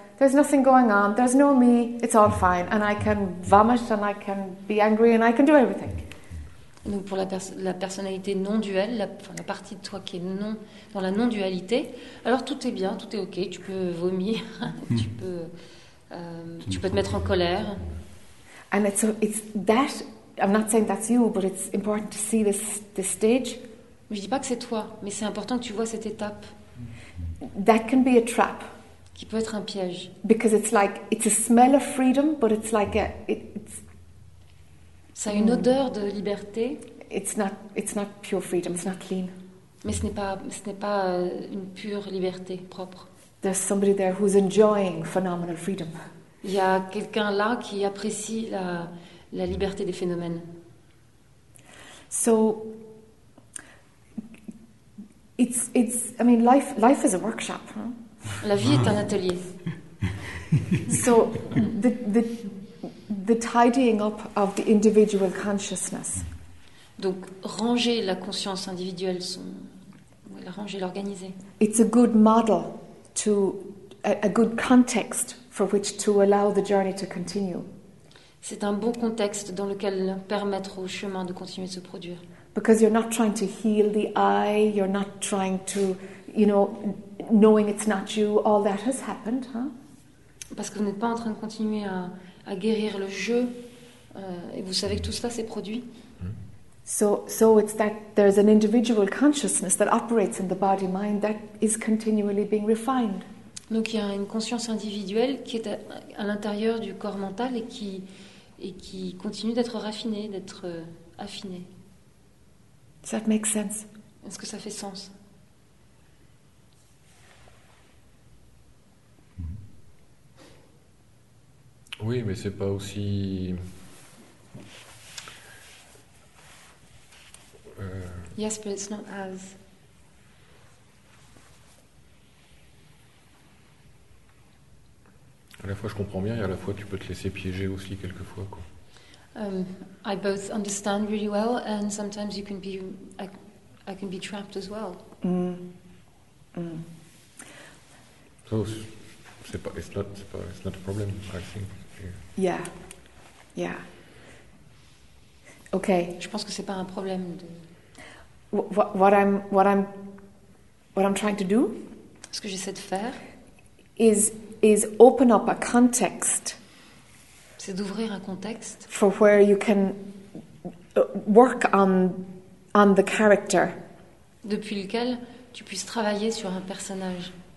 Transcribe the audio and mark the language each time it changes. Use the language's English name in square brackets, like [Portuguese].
[English] There's nothing going on, there's no me, it's all fine, and I can vomit, and I can be angry, and I can do everything. [French] Donc pour la personnalité non-duelle, la partie de toi qui est non, dans la non-dualité, alors tout est bien, tout est ok, tu peux vomir, tu peux te mettre en colère. [English] And it's that, I'm not saying that's you, but it's important to see this stage. [French] Je dis pas que c'est toi, mais c'est important que tu vois cette étape. [English] That can be a trap. [French] Qui peut être un piège. [English] Because it's like, it's a smell of freedom, but it's like it's... [French] Ça a une odeur de liberté. [English] It's not pure freedom, it's not clean. [French] Mais ce n'est pas une pure liberté propre. [English] There's somebody there who's enjoying phenomenal freedom. [French] Il y a quelqu'un là qui apprécie la liberté des phénomènes. [English] So, it's, I mean, life is a workshop, hein? [French] La vie est un atelier. [English] So the tidying up of the individual consciousness. [French] Donc ranger la conscience individuelle, ranger, l'organiser. [English] It's a good model to a good context for which to allow the journey to continue. [French] C'est un bon contexte dans lequel permettre au chemin de continuer de se produire. [English] Because you're not trying to heal the eye, you're not trying to, you know, knowing it's not you, all that has happened, huh? [French] Parce que vous n'êtes pas en train de continuer à guérir le jeu, et vous savez que tout cela s'est produit. [English] So it's that there's an individual consciousness that operates in the body-mind that is continually being refined. [French] Donc il y a une conscience individuelle qui est à l'intérieur du corps mental et qui continue d'être raffinée, d'être affinée. [English] Does that make sense? [French] Est-ce que ça fait sens? Oui, mais c'est pas aussi... [English] Yes, but it's not as... [French] À la fois, je comprends bien, et à la fois, tu peux te laisser piéger aussi, quelquefois, quoi. [English] I both understand really well, and sometimes you can be... I can be trapped as well. So, [French] c'est pas, [English] it's not a problem, I think. Yeah, yeah. Okay. [French] Je pense que c'est pas un problème de... [English] What I'm trying to do. [French] Ce que j'essaie de faire. [English] Is open up a context. [French] C'est d'ouvrir un contexte. [English] For where you can work on the character. [French] Depuis lequel tu puisses travailler sur un personnage.